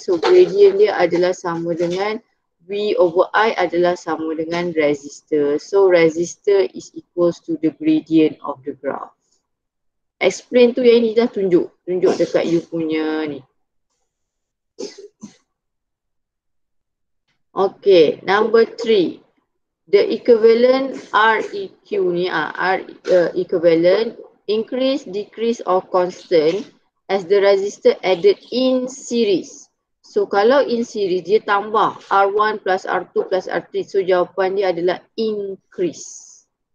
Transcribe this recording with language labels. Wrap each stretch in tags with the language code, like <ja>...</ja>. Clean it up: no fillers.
<ms>So gradient dia adalah sama dengan V over I adalah sama dengan resistor.</ms> <en>So resistor is equals to the gradient of the graph.</en> <ms>Explain tu yang ni dah tunjuk. Tunjuk dekat you punya ni.</ms> <en>Okay, number three. The equivalent REQ ni, equivalent, increase, decrease or constant as the resistor added in series.</en> <ms>So kalau in series dia tambah R1 plus R2 plus R3. So jawapan dia adalah increase.</ms>